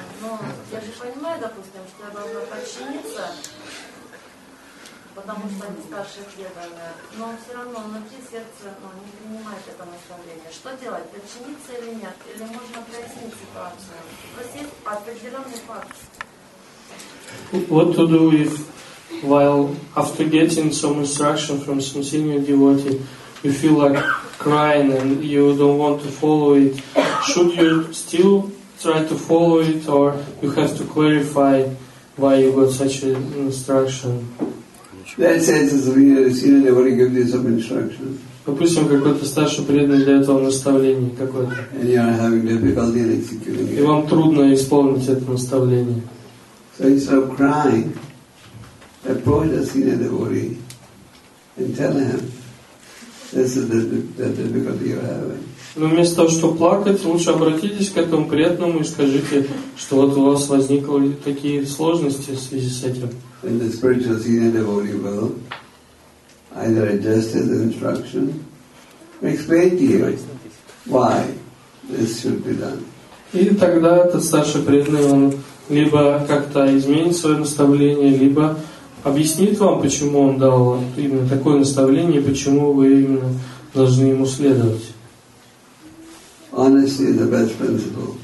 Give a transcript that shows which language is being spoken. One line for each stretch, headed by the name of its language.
Russian: Но я же понимаю, допустим, что я должна подчиниться, потому что они старше преданные, но все равно внутри сердце не принимает это наставление. Что делать, подчиниться или нет? Или можно прояснить ситуацию? То есть есть определенный факт.
English: What to do if while after getting some instruction from some senior devotee you feel like crying and you don't want to follow it, should you still try to follow it or you have to clarify why you got such an instruction? That sense is really a senior devotee give you some instruction.
Russian: Допустим, какой-то старший преданный для этого наставления какое-то.
English: And you are having difficulty in executing it.
Russian: И вам трудно исполнить это наставление.
English: So instead of crying, approach a senior devotee and tell him this is the difficulty you're having.
Russian: Но вместо того, чтобы плакать, лучше обратитесь к этому преданному и скажите, что вот у вас возникли такие сложности в связи с этим.
English: And the spiritual senior devotee will either adjust his instruction or explain to you why this should be done.
Russian: И тогда этот старший преданный он либо как-то изменит свое наставление, либо объяснит вам, почему он дал именно такое наставление, и почему вы именно должны ему следовать.
English: Honesty is the best principle.